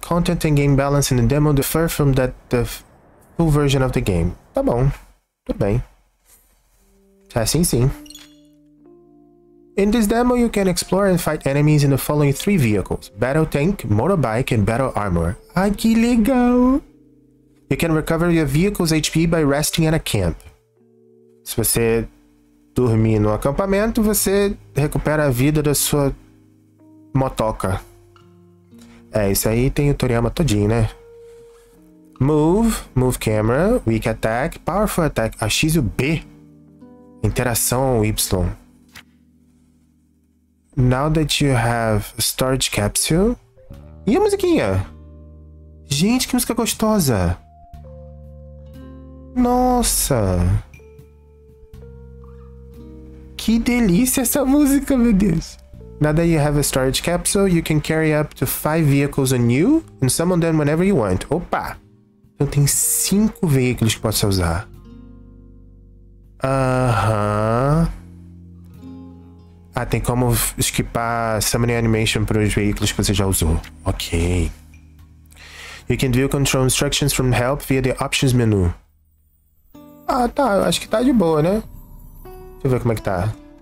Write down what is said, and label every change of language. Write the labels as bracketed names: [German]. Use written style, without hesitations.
[English] Content and game balance in the demo differ from that the full version of the game. [Portuguese] Tá bom. Tudo bem. Tá sim, sim. [English] In this demo, you can explore and fight enemies in the following three vehicles. Battle tank, motorbike, and battle armor. [Portuguese] Ai, que legal! [English] You can recover your vehicle's HP by resting at a camp. [Portuguese] Se você dormir no acampamento, você recupera a vida da sua motoca. É, isso aí tem o Toriyama todinho, né? [English] Move, move camera, weak attack, powerful attack, AX e o B. [Portuguese] Interação Y. [English] Now that you have a storage capsule. [Portuguese] E a musiquinha? Gente, que música gostosa! Nossa! Que delícia essa música, meu Deus! [English] Now that you have a storage capsule, you can carry up to 5 vehicles on you and summon them whenever you want. [Portuguese] Opa! Então tem 5 veículos que posso usar. Ah, tem como skipar summoning animation para os veículos que você já usou. Ok. [English] You can view control instructions from help via the options menu. [Portuguese] Ah, tá. Acho que tá de boa, né? Deixa eu ver como é que tá.